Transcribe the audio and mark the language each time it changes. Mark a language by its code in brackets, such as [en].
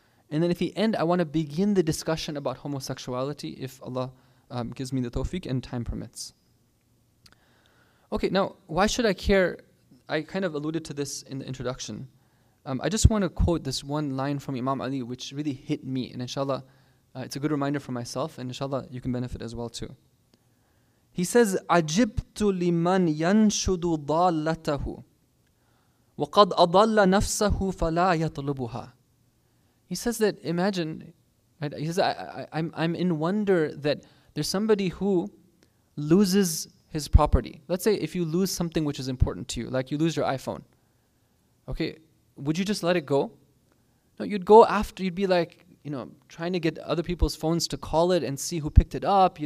[en] And then at the end, I want to begin the discussion about homosexuality if Allah gives me the tawfiq and time permits. Okay, now, why should I care? I kind of alluded to this in the introduction. I just want to quote this one line from Imam Ali, which really hit me. And inshallah, it's a good reminder for myself, and inshallah, you can benefit as well too. [ar] He says, عَجِبْتُ لِمَنْ يَنْشُدُ ضَالَّتَهُ وَقَدْ أَضَلَّ نَفْسَهُ فَلَا يَطْلُبُهَا. [en] He says that, imagine, right, he says, I'm in wonder that there's somebody who loses his property. Let's say if you lose something which is important to you, like you lose your iPhone, okay, would you just let it go? No, you'd go after, you'd be like, you know, trying to get other people's phones to call it and see who picked it up.